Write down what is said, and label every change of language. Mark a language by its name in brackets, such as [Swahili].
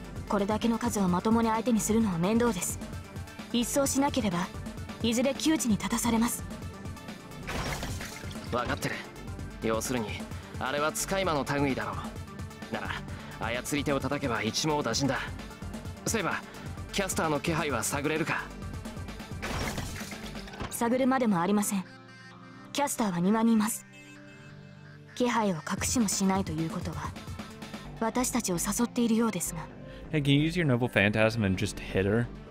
[English] But this amount of bones to fight properly is difficult. If we don't do this, we'll be put at the end of the line. [Japanese] 分かってる。要するにあれは使い魔の類だろう。なら操り手を叩けば一網打尽だ。セーバー、キャスターの気配は探れるか。探るまでもありません。キャスターは庭にいます。気配を隠しもしないということは私たちを誘っているようですが。 [English] Hey, can you use your noble phantasm and just hit her?